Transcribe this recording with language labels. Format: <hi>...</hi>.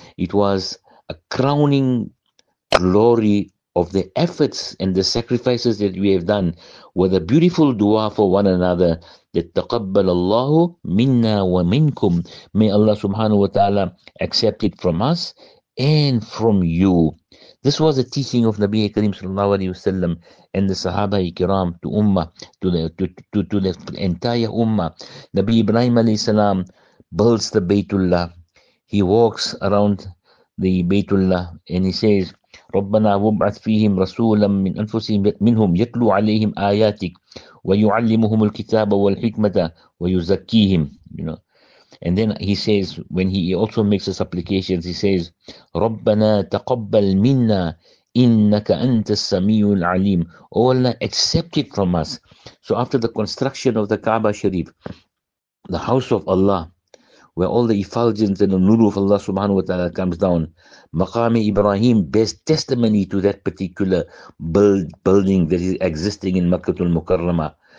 <en>It was a crowning glory of the efforts and the sacrifices that we have done, with a beautiful dua for one another, that</en> <ar>taqabbal Allahu minna wa minkum,</ar> <en>may Allah subhanahu wa ta'ala accept it from us and from you. This was a teaching of Nabi Karim sallallahu alayhi wasallam and the Sahaba ikram to Ummah, to the entire Ummah. Nabi Ibrahim alayhi salam builds the Baytullah. He walks around the Baytullah and he says,</en> <ar>رَبَّنَا وَبْعَثْ فِيهِمْ رَسُولًا مِّنْ أَنفُسِهِمْ مِنْهُمْ يَتْلُوا عَلَيْهِمْ آيَاتِكْ وَيُعَلِّمُهُمُ الْكِتَابَ وَالْحِكْمَةَ وَيُزَكِّيهِمْ,</ar> <en>you know. And then he says, when he also makes the supplications, he says,</en> <ar>رَبَّنَا تَقَبَّلْ مِنَّا إِنَّكَ أَنْتَ السَّمِيعُ الْعَلِيمُ,</ar> <en>O Allah, accept it from us. So after the construction of the Kaaba Sharif, the house of Allah, where all the effulgence and the nuru of Allah subhanahu wa ta'ala comes down, Maqam Ibrahim bears testimony to that particular building that is existing in Makkah al-Mukarramah.</en>